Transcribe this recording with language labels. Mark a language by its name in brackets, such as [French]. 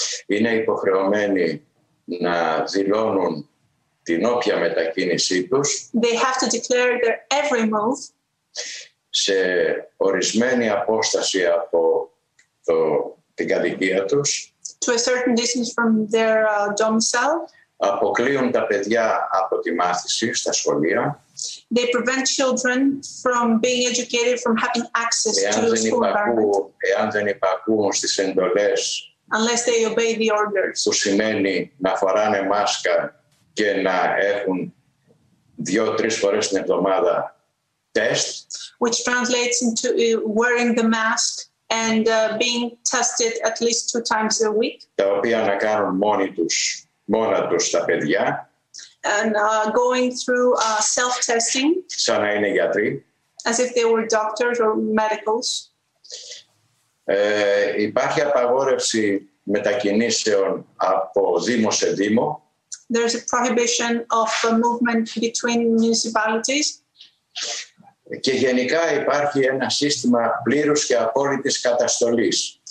[Greek] Είναι υποχρεωμένοι να δηλώνουν την όποια μετακίνησή τους. [English] They have to declare their every move. [Greek] Σε ορισμένη απόσταση από την κατοικία τους. [English] To a certain distance from their domicile. [Greek] Αποκλείουν τα παιδιά από τη μάθηση στα σχολεία. [English] They prevent children from being educated, from having access to the school environment. [Greek] Εάν δεν υπακούν στις εντολές. [English] Unless they obey the orders. [Greek] Που σημαίνει να φοράνε μάσκα και να έχουν 2-3 φορές την εβδομάδα τεστ. [English] Which translates into wearing the mask and being tested at least 2 times a week. [Greek] Τα οποία να κάνουν μόνα τους τα παιδιά. [English] And going through self-testing. [Greek] Σαν να είναι γιατροί. [English] As if they were doctors or medicals. [Greek] Υπάρχει απαγόρευση μετακινήσεων από δήμο σε δήμο. [English] There's a prohibition of the movement between municipalities. [Greek] Και γενικά υπάρχει ένα σύστημα πλήρους και απόλυτης καταστολής.